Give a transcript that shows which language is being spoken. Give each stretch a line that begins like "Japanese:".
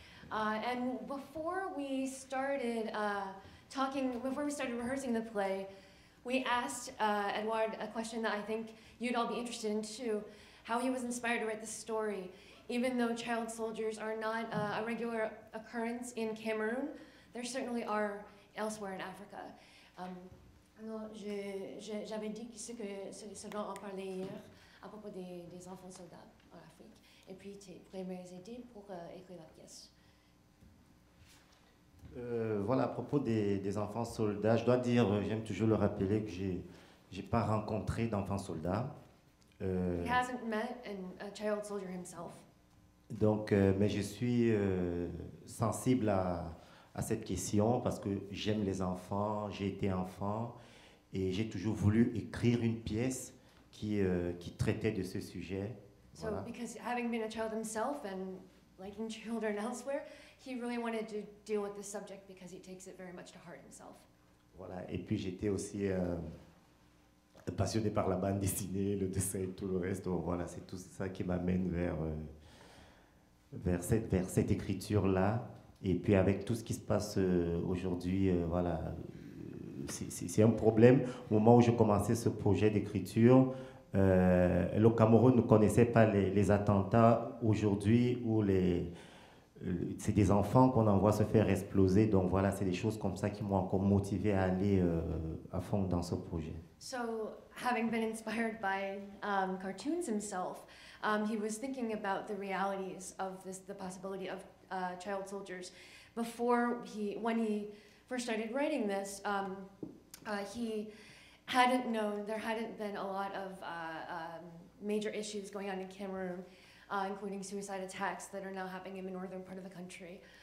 English: And before we started rehearsing the play, we asked Edouard a question that I think you'd all be interested in too, how he was inspired to write this story. Even though child soldiers are not a regular occurrence in Cameroon, there certainly are elsewhere in Africa.
French: Alors, j'avais dit ce dont on parlait hier à propos des enfants soldats en Afrique. Et puis, tes premières idées pour écrire la pièce. Voilà, à propos des enfants soldats, je dois dire, j'aime toujours le rappeler que j'ai pas rencontré d'enfants soldats.
English: He hasn't met a child soldier himself.
French: Donc, mais je suis sensible à cette question parce que j'aime les enfants, j'ai été enfant. Et j'ai toujours voulu écrire une pièce qui traitait de ce sujet.
English: So, voilà. Because having been a child himself and liking children elsewhere, he really wanted to deal with this subject because he takes it very much to heart himself.
French: Voilà, et puis j'étais aussi passionné par la bande dessinée, le dessin et tout le reste. Donc, voilà, c'est tout ça qui m'amène vers cette écriture-là. Et puis avec tout ce qui se passe aujourd'hui, voilà, c'est un problème. Au moment où je commençais ce projet d'écriture, le Cameroun ne connaissait pas les attentats aujourd'hui où c'est des enfants qu'on envoie se faire exploser. Donc voilà, c'est des choses comme ça qui m'ont encore motivé à aller à fond dans ce projet.
English: So, having been inspired by cartoons himself, he was thinking about the realities of this, the possibility of child soldiers. When he first started writing this, he hadn't known, there hadn't been a lot of major issues going on in Cameroon, including suicide attacks that are now happening in the northern part of the country.